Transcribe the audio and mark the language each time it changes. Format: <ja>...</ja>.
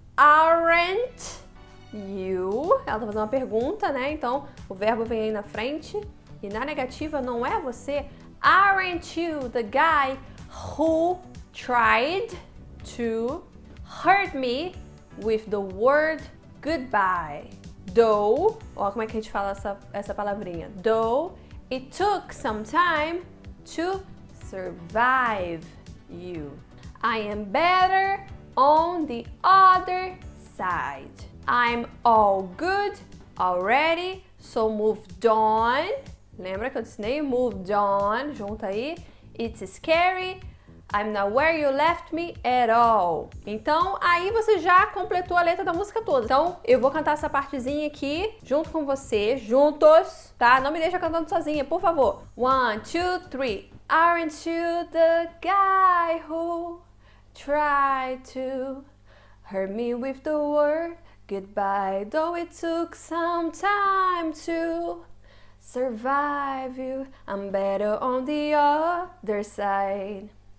<en>Aren't you?</en> <pt>Ela tá fazendo uma pergunta, né? Então, o verbo vem aí na frente. E na negativa, não é você.</pt> <en>Aren't you the guy who tried to hurt me with the word goodbye?</en> <pt>Though, olha como é que a gente fala essa palavrinha.</pt> <en>Though it took some time to survive you. I am better on the other side. I'm all good already, so moved on.</en> <pt>Lembra que eu disse, nem moved on, junta aí.</pt> <en>It's scary. I'm not where you left me at all.</en> <pt>Então, aí você já completou a letra da música toda. Então, eu vou cantar essa partezinha aqui, junto com você, juntos, tá? Não me deixa cantando sozinha, por favor. 1, 2, 3.</pt> <en>Aren't you the guy who tried to hurt me with the word goodbye? Though it took some time to survive you. I'm better on the other side.</en>